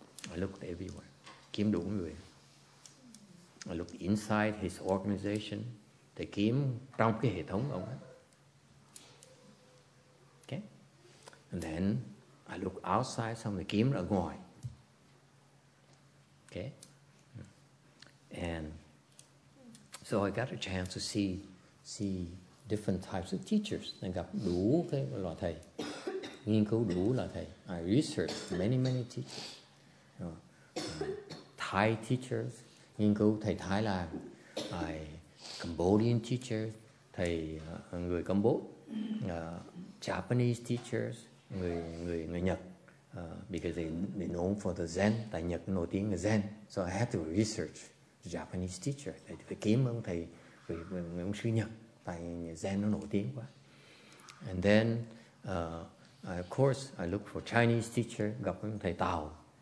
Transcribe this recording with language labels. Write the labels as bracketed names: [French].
[English] I looked everywhere, [Vietnamese] kiếm đủ người. [English] I looked inside his organization, [Vietnamese] thầy kiếm trong cái hệ thống ông ấy. [English] Okay, and then I looked outside, [Vietnamese] xong thầy kiếm ở ngoài. [English] Okay, and so I got a chance to see. Different types of teachers. [Vietnamese] Nên gặp đủ cái loại thầy. Nghiên cứu đủ loại thầy. [English] I researched many, many teachers. Thai teachers. [Vietnamese] Nghiên cứu thầy Thái làm. [English] I Cambodian teachers. [Vietnamese] Thầy người Cambodia. [English] Japanese teachers. [Vietnamese] Người Nhật. [English] Because they known for the Zen. [Vietnamese] Tại Nhật nổi tiếng là Zen. [English] So I had to research the Japanese teacher. [Vietnamese] Thầy phải kiếm ông thầy. Người ông sư Nhật. Tại Zen nó nổi tiếng quá. [English] And then, of course, I look for Chinese teacher, [Vietnamese] gặp thầy Tào.